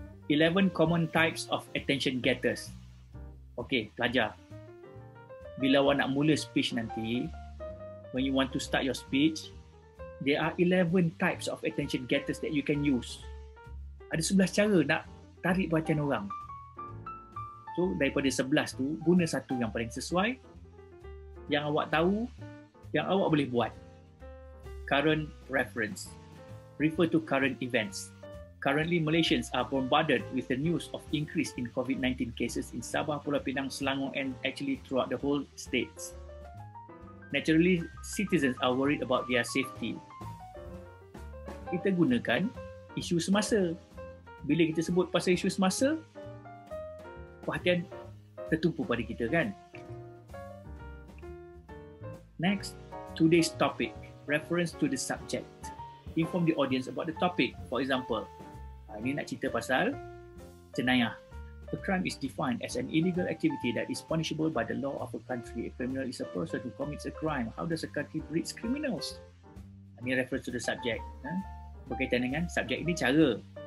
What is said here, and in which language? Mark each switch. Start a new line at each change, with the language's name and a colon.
English: 11 common types of attention getters.
Malay: Okay, pelajar. Bila awak nak mula speech nanti,
English: when you want to start your speech, there are 11 types of attention getters that you can use.
Malay: Ada 11 cara nak tarik perhatian orang. So, daripada 11 tu, guna satu yang paling sesuai, yang awak tahu, yang awak boleh buat.
English: Current reference. Refer to current events. Currently, Malaysians are bombarded with the news of increase in COVID-19 cases in Sabah, Pulau Pinang, Selangor and actually throughout the whole states. Naturally, citizens are worried about their safety.
Malay: Kita gunakan isu semasa. Bila kita sebut pasal isu semasa, perhatian tertumpu pada kita, kan?
English: Next, today's topic, reference to the subject. Inform the audience about the topic, for example.
Malay: Ini nak cerita pasal jenayah.
English: A crime is defined as an illegal activity that is punishable by the law of a country. A criminal is a person who commits a crime. How does a country treat criminals? Ini reference to the subject.
Malay: Berkaitan dengan subject ini cara.